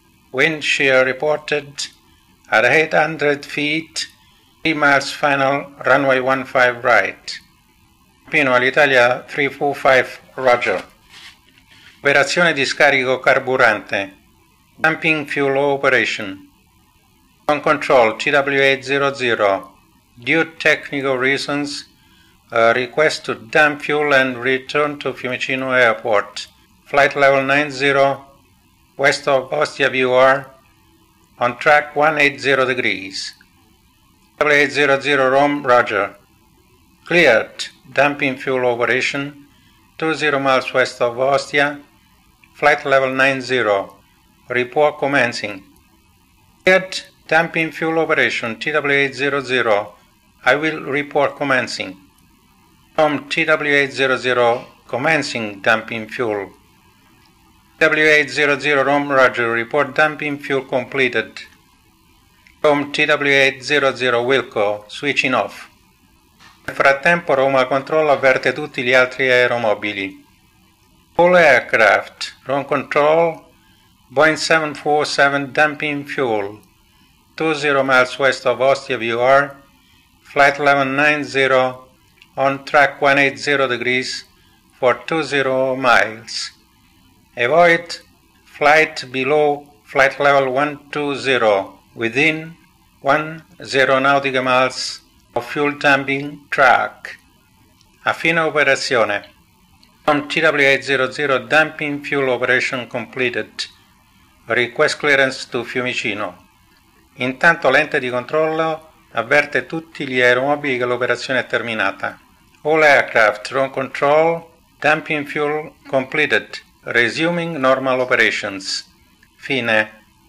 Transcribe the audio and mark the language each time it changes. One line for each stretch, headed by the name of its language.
English: Wind shear reported at 800 feet, 3 miles final, runway 15 right. Campino, Alitalia 345, roger.
Italian: Operazione di scarico carburante.
English: Dumping fuel operation. On control, TW800. Due technical reasons, a request to dump fuel and return to Fiumicino Airport. Flight level 90, west of Ostia VOR, on track 180 degrees. W800 Rome, roger. Cleared, dumping fuel operation, 20 miles west of Ostia, flight level 90. Report commencing. Cleared, dumping fuel operation, TW800. I will report commencing. From TW800, commencing dumping fuel. TW800, Rome, roger, report dumping fuel completed. From TW800, Wilco, switching off.
Italian: Nel frattempo, Roma Control avverte tutti gli altri aeromobili.
English: All aircraft, Rome Control, Boeing 747 dumping fuel, 20 miles west of Ostia VOR, flight level 90, on track 180 degrees for 20 miles. Avoid flight below flight level 120 within 10 nautical miles of fuel dumping track.
Italian: A fine operazione.
English: On TW800 dumping fuel operation completed. Request clearance to Fiumicino.
Italian: Intanto l'ente di controllo avverte tutti gli aeromobili che l'operazione è terminata.
English: All aircraft, ground control, dumping fuel completed, resuming normal operations. Fine.